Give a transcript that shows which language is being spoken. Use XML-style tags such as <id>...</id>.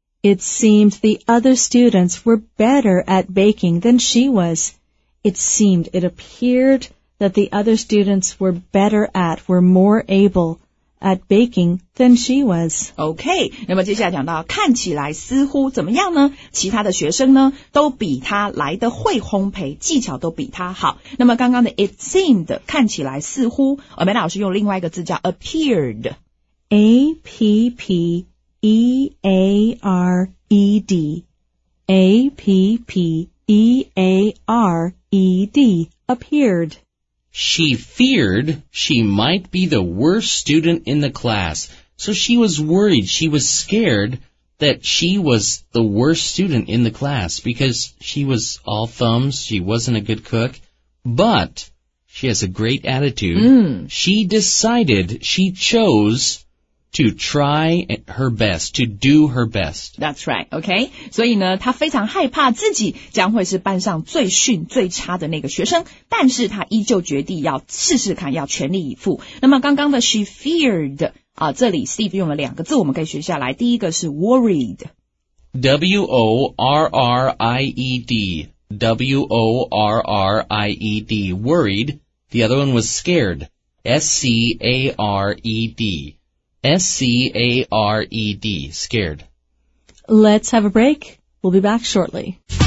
<en>It seemed the other students were better at baking than she was. It seemed. It appeared. That the other students were better at, were more able at baking than she was.</en> <zh>Okay, 那么接下来讲到，看起来似乎怎么样呢？其他的学生呢，都比他来得会烘焙，技巧都比他好。那么刚刚的</zh> <en>it seemed</en> <zh>看起来似乎，而梅老师用另外一个字叫 appeared,</zh> <en>A P P E A R E D, A P P E A R E D, appeared. She feared she might be the worst student in the class. So she was worried, she was scared that she was the worst student in the class because she was all thumbs, she wasn't a good cook, but she has a great attitude. Mm. She decided, she chose... to try her best, to do her best. That's right, okay?</en> <zh>所以呢，他非常害怕自己将会是班上最逊、最差的那个学生，但是他依旧决定要试试看，要全力以赴。那么刚刚的</zh> <en>she feared,</en> <zh>这里 Steve 用了两个字，我们可以学下来。第一个是 worried.</zh> <en>W-O-R-R-I-E-D, W-O-R-R-I-E-D, worried. The other one was scared, S-C-A-R-E-D. S-C-A-R-E-D, scared. Let's have a break. We'll be back shortly.</en>